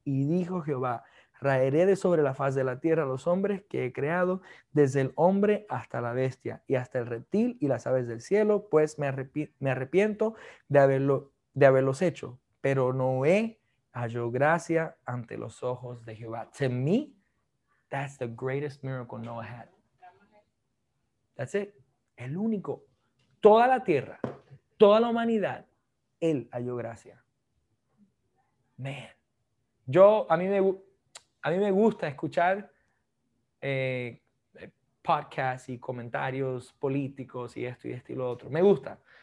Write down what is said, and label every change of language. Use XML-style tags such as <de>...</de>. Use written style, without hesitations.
<es>Y dijo Jehová, raeré de sobre la faz de la tierra a los hombres que he creado, desde el hombre hasta la bestia y hasta el reptil y las aves del cielo, pues me arrepiento de haberlos hecho, pero Noé halló gracia ante los ojos de Jehová.</es> <en>To me, that's the greatest miracle Noah had. That's it.</en> <es>El único. Toda la tierra, toda la humanidad, él halló gracia. Man. A mí me gusta escuchar podcasts y comentarios políticos y esto y esto y lo otro. Me gusta.</es>